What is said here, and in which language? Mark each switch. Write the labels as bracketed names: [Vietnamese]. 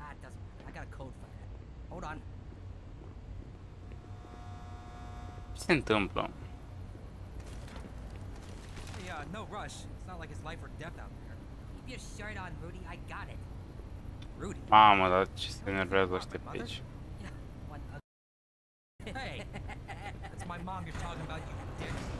[English] Ah, it doesn't matter. I got a code for that. Hold on. [Romanian] Ce se întâmplă? [English] Hey, no rush. It's not like it's life or death out there. Keep your shirt on, Rudy. I got it. Rudy? [Romanian] Mamă, dar ce se nervează ăștia pe aici? [English] Hey! That's my mom you're talking about, you dick.